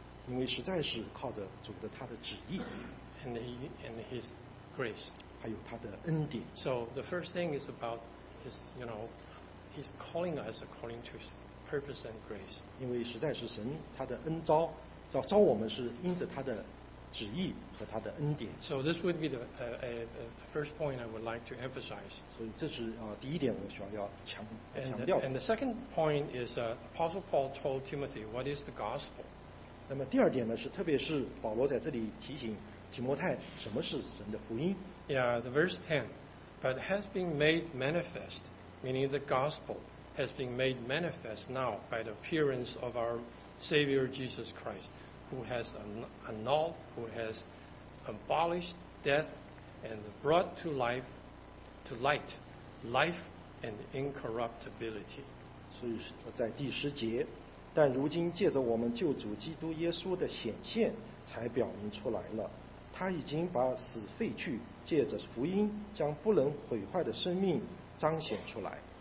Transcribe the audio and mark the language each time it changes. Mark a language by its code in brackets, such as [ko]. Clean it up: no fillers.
[zh] 因为实在是靠着主的他的旨意 [en] and his grace [zh] 还有他的恩典 [en] so the first thing is about his, you know, he's calling us according to his purpose and grace [zh] 因为实在是神他的恩召 召我们是因着他的旨意和他的恩典 [en] so this would be the first point I would like to emphasize [zh] 所以这是第一点我需要强调 [en] and the second point is Apostle Paul told Timothy what is the gospel [zh] 那么第二点呢是特别是保罗在这里提醒提摩太什么是神的福音 [en] Yeah, the verse 10 But has been made manifest meaning the gospel has been made manifest now by the appearance of our Savior Jesus Christ who has annulled who has abolished death and brought to life to light life and incorruptibility [zh] 所以在第十节但如今借着我们救主基督耶稣的显现才表明出来了他已经把死废去借着福音将不能毁坏的生命彰显出来